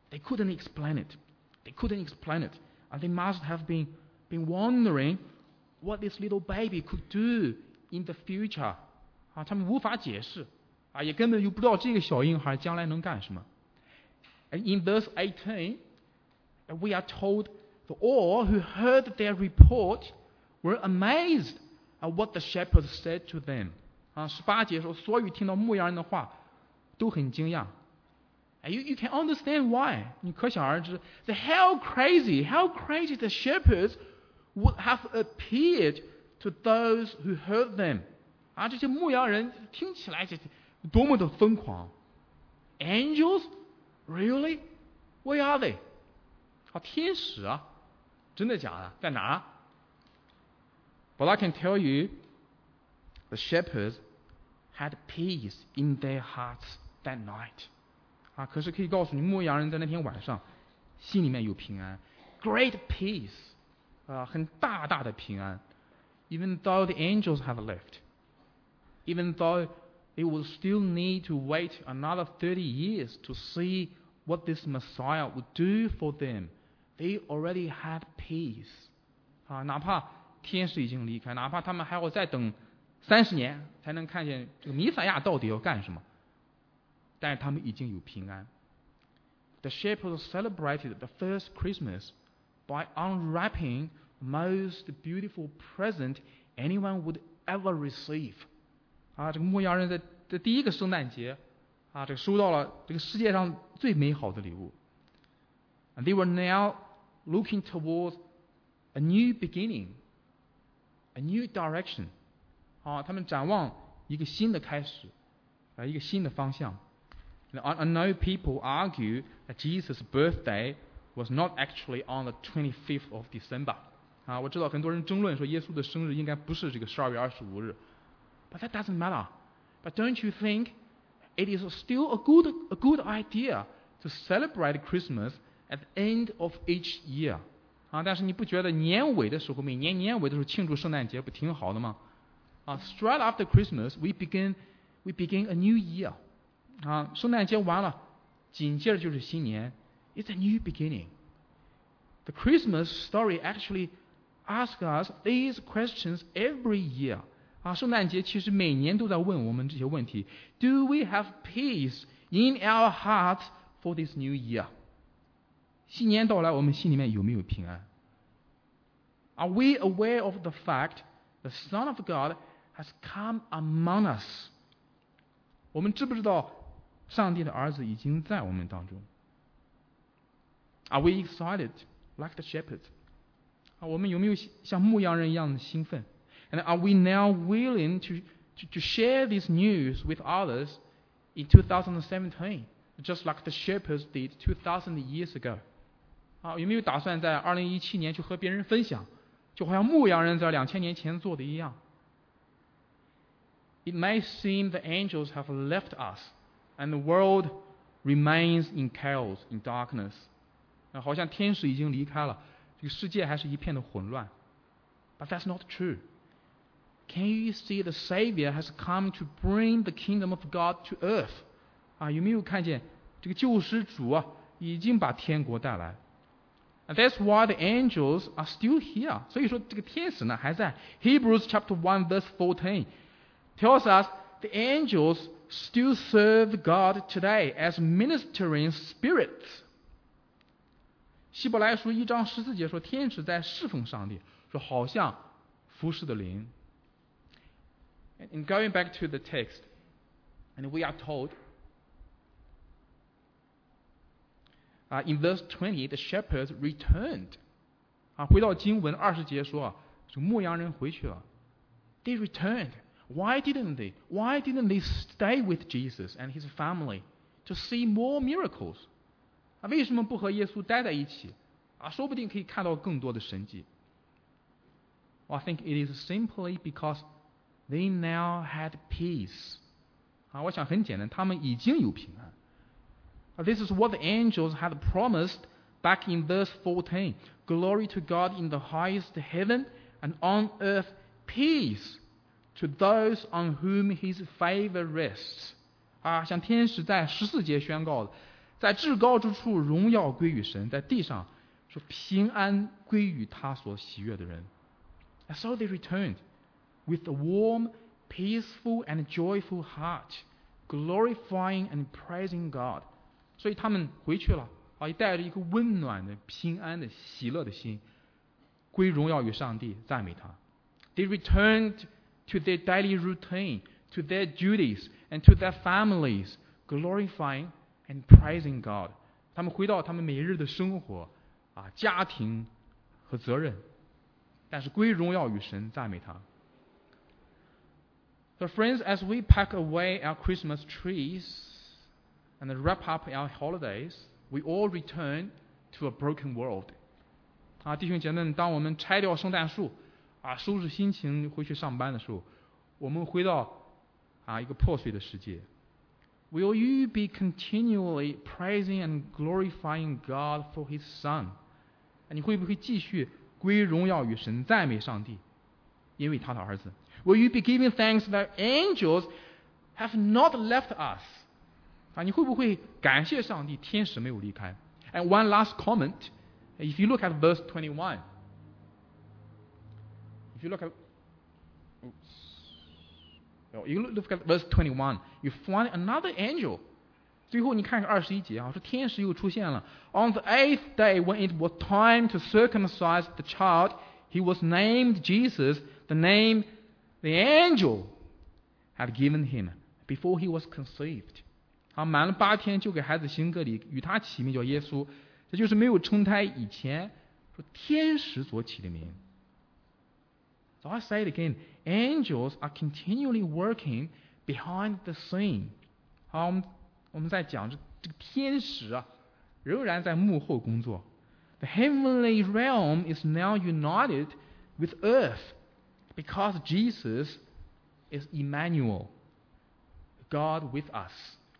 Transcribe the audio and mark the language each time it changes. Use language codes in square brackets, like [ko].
[en] They couldn't explain it. And they must have been wondering what this little baby could do in the future. [zh] 啊，他们无法解释，啊，也根本就不知道这个小婴孩将来能干什么。 [en] And in verse 18, we are told that all who heard their report were amazed at what the shepherds said to them. [zh] 十八节说，所有听到牧羊人的话都很惊讶。 [en] You can understand why. [zh] 你可想而知 [en] how crazy the shepherds would have appeared to those who heard them. [zh] 啊，这些牧羊人听起来多么的疯狂。 [en] Angels? Really? Where are they? [zh] 啊，天使啊，真的假的，在哪？ [en] But I can tell you, the shepherds had peace in their hearts that night. [zh] 啊，可是可以告诉你，牧羊人在那天晚上心里面有平安。 [en] Great peace. [zh] 啊，很大大的平安。 [en] Even though the angels have left. Even though they would still need to wait another 30 years to see what this Messiah would do for them. They already had peace. [zh] 啊，哪怕天使已经离开，哪怕他们还要再等三十年才能看见这个弥赛亚到底要干什么，但是他们已经有平安。 [en] The shepherds celebrated the first Christmas by unwrapping the most beautiful present anyone would ever receive. [zh] 啊，这个牧羊人在第一个圣诞节，啊，这个收到了这个世界上最美好的礼物。 [en] And they were now looking towards a new beginning, a new direction. [zh] 啊，他们展望一个新的开始，啊，一个新的方向。 [en] I know people argue that Jesus' birthday was not actually on the 25th of December. [zh] 啊，我知道很多人争论说耶稣的生日应该不是这个12月25日。 [en] But that doesn't matter. But don't you think it is still a good idea to celebrate Christmas at the end of each year? [zh] 啊，但是你不觉得年尾的时候，每年年尾的时候庆祝圣诞节不挺好的吗？ [en] Straight after Christmas, we begin, We begin a new year. [zh] 啊，圣诞节完了，紧接着就是新年。 [en] It's a new beginning. The Christmas story actually asks us these questions every year. [zh] 啊，圣诞节其实每年都在问我们这些问题。 [en] Do we have peace in our hearts for this new year? [zh] 新年到来，我们心里面有没有平安？ [en] Are we aware of the fact the Son of God has come among us? [zh] 我们知不知道上帝的儿子已经在我们当中？ [en] Are we excited like the shepherds? [zh] 我们有没有像牧羊人一样的兴奋？ [en] And are we now willing to share this news with others in 2017, just like the shepherds did 2,000 years ago? [zh] 有没有打算在2017年去和别人分享？就好像牧羊人在2000年前做的一样。 [en] It may seem the angels have left us and the world remains in chaos, in darkness. [zh] 好像天使已经离开了，这个世界还是一片的混乱。 [en] But that's not true. Can you see the Savior has come to bring the kingdom of God to earth? [zh] 有没有看见这个救世主啊，已经把天国带来。 [en] That's why the angels are still here. [zh] 所以说这个天使呢还在。 [en] Hebrews chapter 1 verse 14 tells us the angels still serve God today as ministering spirits. [zh] 希伯来书一章十四节说天使在侍奉上帝，说好像服侍的灵。 [en] And going back to the text, and we are told, in verse 20, the shepherds returned. [zh] 回到经文二十节说，这个牧羊人回去了。 [en] They returned. Why didn't they? Why didn't they stay with Jesus and his family to see more miracles? [zh] 为什么不和耶稣待在一起？说不定可以看到更多的神迹。 [en] I think it is simply because they now had peace. [zh] 我想很简单，他们已经有平安。 [en] This is what the angels had promised back in verse 14. Glory to God in the highest heaven and on earth peace to those on whom his favor rests. [zh] 像天使在十四节宣告的，在至高之处荣耀归于神，在地上说平安归于他所喜悦的人。 [en] And so they returned with a warm, peaceful and joyful heart, glorifying and praising God. [zh] 所以他们回去了，也带着一个温暖的、平安的、喜乐的心，归荣耀于上帝，赞美他。 [en] They returned to their daily routine, to their duties, and to their families, glorifying and praising God. [zh] 他们回到他们每日的生活、家庭和责任，但是归荣耀于神，赞美他。 [en] So friends, as we pack away our Christmas trees,And wrap up our holidays, we all return to a broken world. [zh] 弟兄姐妹们，当我们拆掉圣诞树，收拾心情回去上班的时候，我们回到一个破碎的世界。 [en] Will you be continually praising and glorifying God for His Son? [zh] 你会不会继续归荣耀与神，赞美上帝，因为他的儿子？ [en] Will you be giving thanks that angels have not left us? [zh] 你会不会感谢上帝天使没有离开？ [en] And one last comment, if you look at verse 21, you find another angel. [zh] 最后你看看二十一节，说天使又出现了。 [en] On the eighth day, when it was time to circumcise the child, he was named Jesus, the name the angel had given him before he was conceived. [zh] 满了八天就给孩子行割礼，与他起名叫耶稣，这就是没有成胎以前说天使所起的名。 [en] So I say it again, angels are continually working behind the scene. [zh] 好，我们在讲这个天使仍然在幕后工作。 [en] The heavenly realm is now united with earth because Jesus is Emmanuel, God with us.